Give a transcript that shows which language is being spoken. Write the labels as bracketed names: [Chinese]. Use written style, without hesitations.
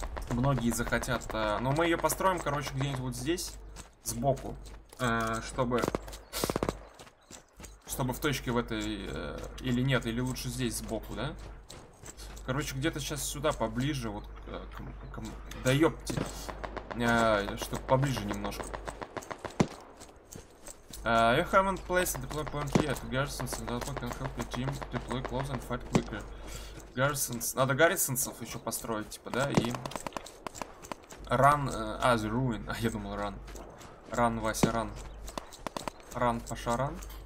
[Russian] Многие захотят. Но мы ее построим, короче, где-нибудь вот здесь. Сбоку. Чтобы в точке в этой... Или нет, или лучше здесь сбоку, да? Короче, где-то сейчас сюда поближе. Вот да ёпте. Чтобы поближе немножко. [English] You haven't placed a deploy point yet. Garrisons and output can help your team deploy close and fight quicker. Garrisons. [Russian] Надо гаррисонсов еще построить, типа, да, и... [English] Run... the ruin. [Russian] А, я думал, run. [English] Run, Вася, run. Run, Паша, run.